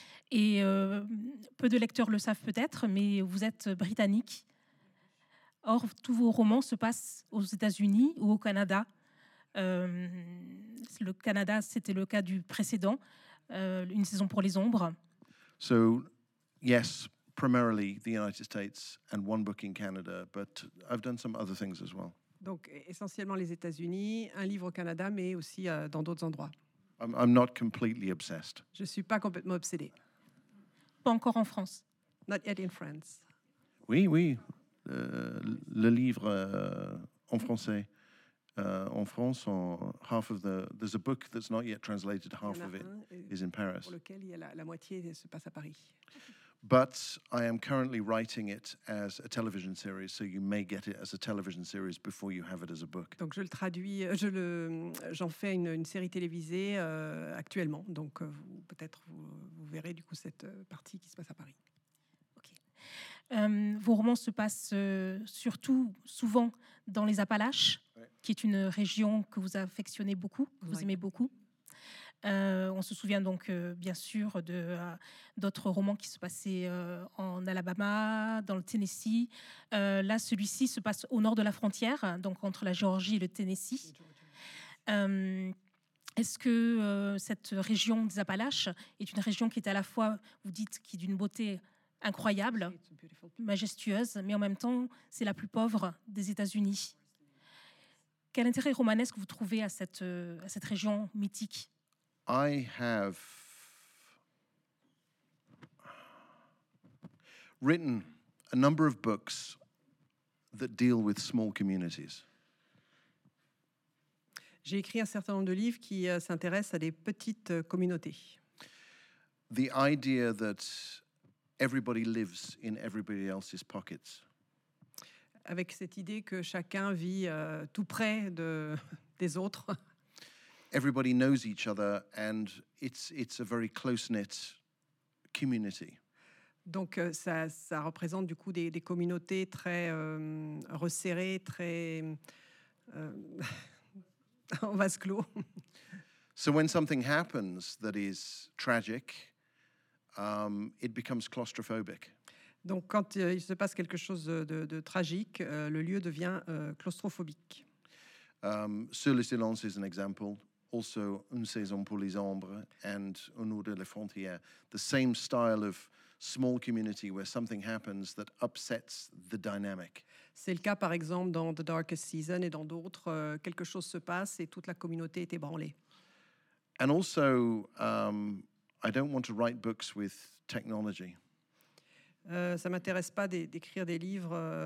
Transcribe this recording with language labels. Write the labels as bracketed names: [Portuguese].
[French] Et peu de lecteurs le savent peut-être, mais vous êtes britannique. Or, tous vos romans se passent aux États-Unis ou au Canada. Le Canada, c'était le cas du précédent, Une saison pour les ombres. [English] So, yes. Primarily the United States and one book in Canada, but I've done some other things as well. [French] Donc essentiellement les États-Unis, un livre au Canada, mais aussi dans d'autres endroits. [English] I'm not completely obsessed. [French] Je suis pas complètement obsédée. Pas encore en France. [English] Not yet in France. [French] Oui, oui. Le livre en français. En France, [English] there's a book that's not yet translated. Half of it is in Paris. [French] Pour lequel il y a la moitié se passe à Paris. [English] But I am currently writing it as a television series, so you may get it as a television series before you have it as a book. [French] Donc je le traduis, j'en fais une série télévisée actuellement. Donc vous verrez du coup cette partie qui se passe à Paris. Okay. Vos romans se passent surtout, souvent, dans les Appalaches, oui. Qui est une région que vous affectionnez beaucoup, que vous aimez beaucoup. On se souvient donc bien sûr d'autres romans qui se passaient en Alabama, dans le Tennessee. Là, celui-ci se passe au nord de la frontière, donc entre la Géorgie et le Tennessee. Est-ce que cette région des Appalaches est une région qui est à la fois, vous dites, qui est d'une beauté incroyable, majestueuse, mais en même temps, c'est la plus pauvre des États-Unis? Quel intérêt romanesque vous trouvez à cette région mythique? [English] I have written a number of books that deal with small communities. [French] J'ai écrit un certain nombre de livres qui s'intéressent à des petites communautés. [English] The idea that everybody lives in everybody else's pockets. [French] Avec cette idée que chacun vit tout près des autres. [English] Everybody knows each other, and it's a very close-knit community. [French] Donc ça représente du coup des communautés très resserrées, très en vase clos. [English] So when something happens that is tragic, it becomes claustrophobic. [French] Donc quand il se passe quelque chose de tragique, le lieu devient claustrophobique. [English] Seul le silence is an example. Also, Une saison pour les ombres and Au nord de la frontière. The same style of small community where something happens that upsets the dynamic. [French] C'est le cas, par exemple, dans The Darkest Season et dans d'autres. Quelque chose se passe et toute la communauté est ébranlée. [English] And also, I don't want to write books with technology. [French] Ça ne m'intéresse pas d'écrire des livres...